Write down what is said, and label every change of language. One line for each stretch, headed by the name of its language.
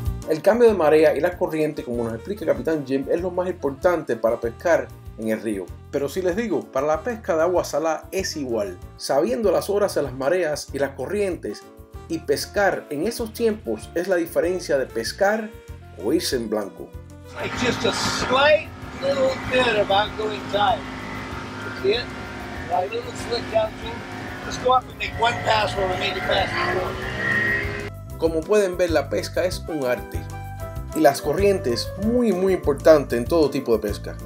Spanish: El cambio de marea y la corriente, como nos explica el Capitán Jim, es lo más importante para pescar en el río. Pero sí les digo, para la pesca de agua salada es igual. Sabiendo las horas de las mareas y las corrientes y pescar en esos tiempos es la diferencia de pescar o irse en blanco.
English: Like just a slight little bit about going tight. That's it. Got a little slick down to. Let's go up and make one pass where we made the pass before.
Spanish: Como pueden ver, la pesca es un arte. Y las corrientes, muy, muy importante en todo tipo de pesca.